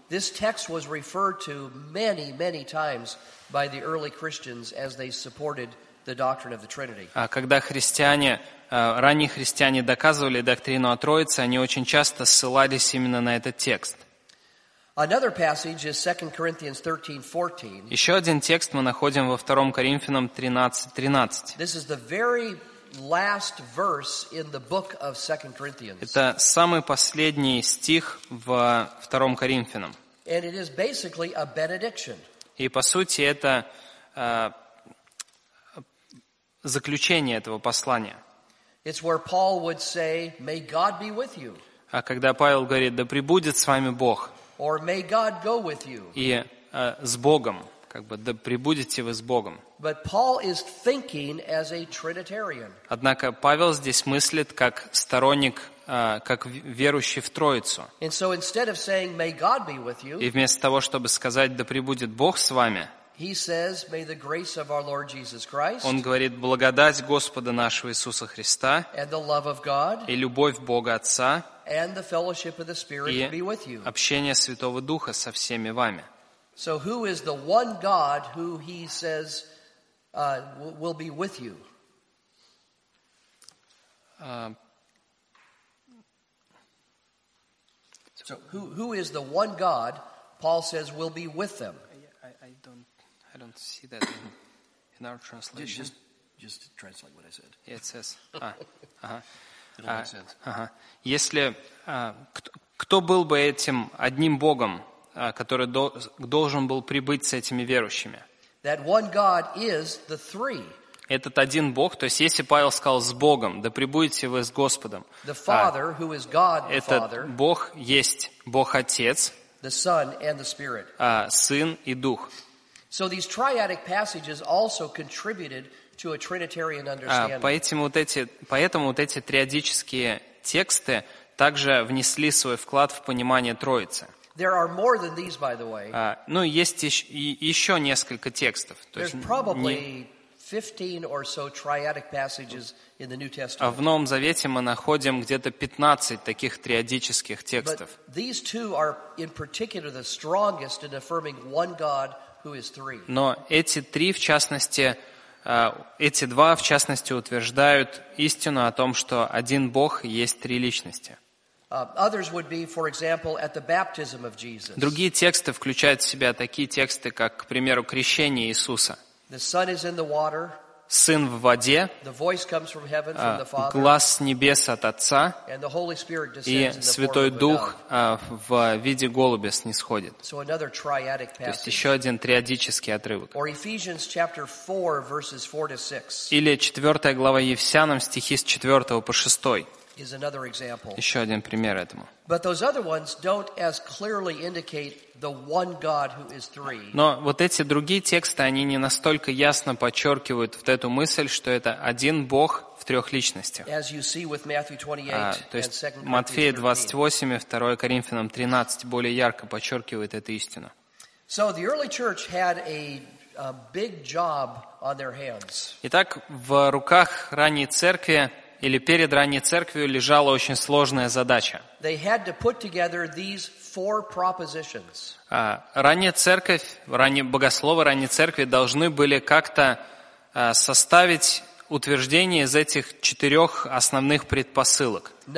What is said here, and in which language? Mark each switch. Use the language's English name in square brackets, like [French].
[Russian] Когда ранние христиане доказывали доктрину о Троице, они очень часто ссылались именно на этот текст. [English] Another passage is 2 Corinthians 13:14. [Russian] Еще один текст мы находим во 2 Коринфянам 13:13. [English] This is the very last verse in the book of 2 Corinthians. [Russian] Это самый последний стих в 2 Коринфянам. [English] And it is basically a benediction. [Russian] И по сути это заключение этого послания. [English] It's where Paul would say, "May God be with you." [Russian] А когда Павел говорит: "Да пребудет с вами Бог." [English] Or may God go with you. [Russian] И с Богом, да пребудете вы с Богом. [English] But Paul is thinking as a Trinitarian. [Russian] Однако Павел здесь мыслит как сторонник, как верующий в Троицу. [English] And so instead of saying may God be with you, [Russian] и вместо того чтобы сказать да пребудет Бог с вами, [English] he says may the grace of our Lord Jesus Christ. [Russian] Он говорит благодать Господа нашего Иисуса Христа. [English] And the love of God. [Russian] И любовь Бога Отца. [English] And the fellowship of the Spirit be with you. [Russian] И общение Святого Духа со всеми вами. [English] So who is the one God who he says will be with you? So who is the one God Paul says will be with them? I don't see that in our translation. Just translate what I said. Yeah, it says. [Russian] Если кто был бы этим одним Богом, который должен был прибыть с этими верующими? [English] That one God is the three. [Russian] Этот один Бог, то есть если Павел сказал с Богом, да прибудете вы с Господом. [English] The Father, who is God the Father. [Russian] Этот Бог есть Бог Отец. [English] The Son and the Spirit. [Russian] Сын и Дух. [English] So these triadic passages also contributed to a Trinitarian understanding. [Russian] Поэтому вот эти триадические тексты также внесли свой вклад в понимание Троицы. [English] There are more than these, by the way. [Russian] Ну, есть еще несколько текстов. [English] There's probably 15 or so triadic passages in the New Testament. [Russian] А в Новом Завете мы находим где-то 15 таких триадических текстов. [English] But these two are in particular the strongest in affirming one God who is three. [Russian] Но эти три, в частности, эти два, в частности, утверждают истину о том, что один Бог есть три личности. [English] Others would be, for example, at the baptism of Jesus. [Russian] Другие тексты включают в себя такие тексты, как, к примеру, крещение Иисуса. [English] The Son is in the water. [Russian] Сын в воде. [English] The voice comes from heaven, from the Father. [Russian] Глас с небес от Отца. [English] And the Holy Spirit descends in the form of a dove. [Russian] И Святой Дух в виде голубя снисходит. [English] So another triadic passage. [Russian] То есть еще один триадический отрывок. [English] Or Ephesians chapter 4, verses 4 to 6. [Russian] Или 4 глава Ефесянам, стихи с 4 по 6. [English] Is another example. [Russian] Еще один пример этому. [English] But those other ones don't as clearly indicate the one God who is three. [Russian] Но вот эти другие тексты, они не настолько ясно подчеркивают вот эту мысль, что это один Бог в трех личностях. [English] As you see with Matthew 28 and 2 Corinthians 13. [Russian] То есть Матфея 28 и 2 Коринфянам 13 более ярко подчеркивает эту истину. [English] So the early church had a big job on their hands. [Russian] Итак, в руках ранней церкви или перед ранней церковью лежала очень сложная задача. Ранняя церковь, богословы ранней церкви должны были как-то составить утверждение из этих четырех основных предпосылок.